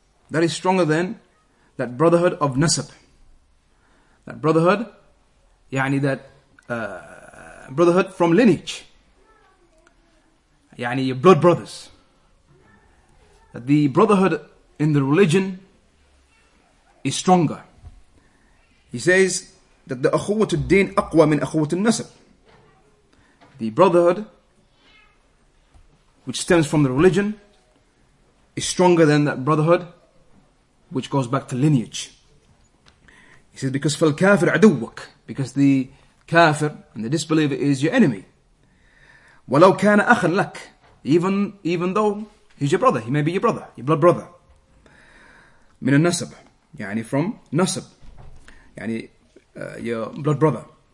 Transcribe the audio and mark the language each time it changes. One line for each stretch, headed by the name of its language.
English: That is stronger than that brotherhood of nasab. That brotherhood, يعني that brotherhood from lineage. يعني your blood brothers. That the brotherhood in the religion is stronger. He says that the
Arabic: أخوة الدين أقوى من أخوة النسب.
English: The brotherhood which stems from the religion is stronger than that brotherhood which goes back to lineage. He says, because
Arabic: فالكافر عدوك,
English: because the kafir and the disbeliever is your enemy.
Arabic: ولو كان أخا لك,
English: even though he's your brother, he may be your brother, your blood brother.
Arabic: من النسب, يعني from نسب, يعني
English: your blood brother.